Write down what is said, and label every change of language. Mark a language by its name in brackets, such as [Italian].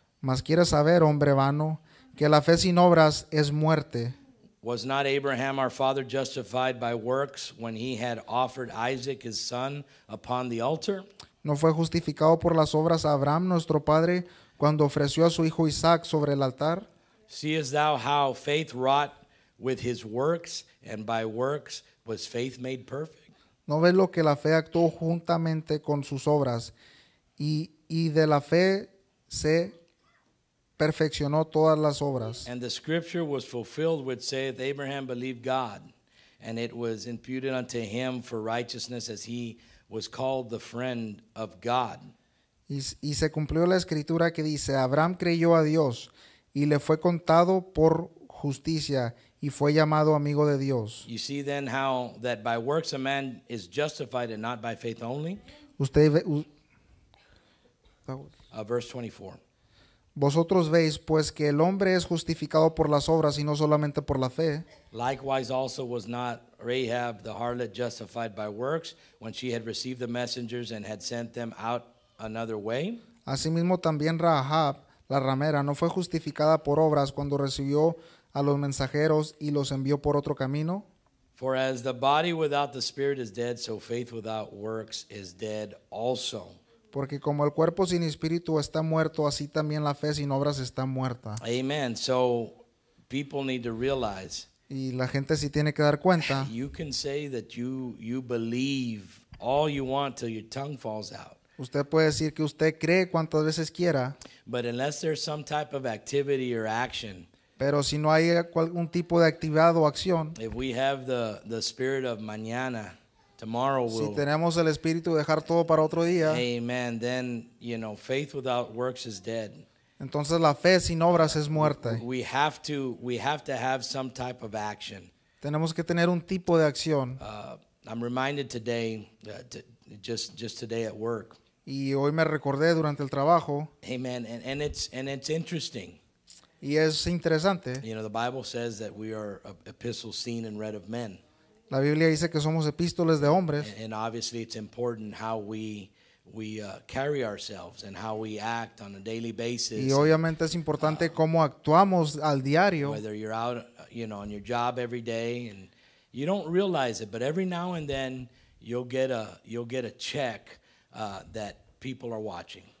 [Spanish] Mas quieres saber, hombre vano, que la fe sin obras es muerte. [English] Was not Abraham our father justified by works when he had offered Isaac his son upon the altar? [Spanish] ¿No fue justificado por las obras Abraham nuestro padre cuando ofreció a su hijo Isaac sobre el altar? [English] Seest thou how faith wrought with his works, and by works was faith made perfect? [Spanish] ¿No ves lo que la fe actuó juntamente con sus obras, y de la fe se perfeccionó todas las obras? [English] And the scripture was fulfilled which saith, Abraham believed God, and it was imputed unto him for righteousness, as he was called the friend of God. [Spanish] Y se cumplió la escritura que dice, Abraham creyó a Dios, y le fue contado por justicia, y fue llamado amigo de Dios. [English] You see then how that by works a man is justified and not by faith only? [Spanish] Usted ve, [English] verse 24. [Spanish] Vosotros veis, pues, que el hombre es justificado por las obras y no solamente por la fe. [English] Likewise also was not Rahab the harlot justified by works when she had received the messengers and had sent them out another way? [Spanish] Asimismo también Rahab, la ramera, no fue justificada por obras cuando recibió a los mensajeros y los envió por otro camino. [English] For as the body without the spirit is dead, so faith without works is dead also. [Spanish] Porque como el cuerpo sin espíritu está muerto, así también la fe sin obras está muerta. [English] Amen. So people need to realize. [Spanish] Y la gente sí tiene que dar cuenta. [English] You can say that you believe all you want till your tongue falls out. [Spanish] Usted puede decir que usted cree cuantas veces quiera. [English] But unless there's some type of activity or action. [Spanish] Pero si no hay algún tipo de activado acción. [English] If we have the spirit of mañana, tomorrow will. [Spanish] Si tenemos el espíritu de dejar todo para otro día. [English] Amen. Then, you know, faith without works is dead. [Spanish] Entonces la fe sin obras es muerte. [English] We have to have some type of action. [Spanish] Tenemos que tener un tipo de acción. [English] I'm reminded today, just today at work. [Spanish] Y hoy me recordé durante el trabajo. [English] Amen. And it's interesting. [Spanish] Y es interesante. [English] You know, the Bible says that we are epistles seen and read of men. [Spanish] La Biblia dice que somos epístoles de hombres. [English] And obviously it's important how we carry ourselves and how we act on a daily basis. [Spanish] Y obviamente es importante cómo actuamos al diario. [English] Whether you're out, you know, on your job every day, and you don't realize it, but every now and then you'll get a check that people are watching.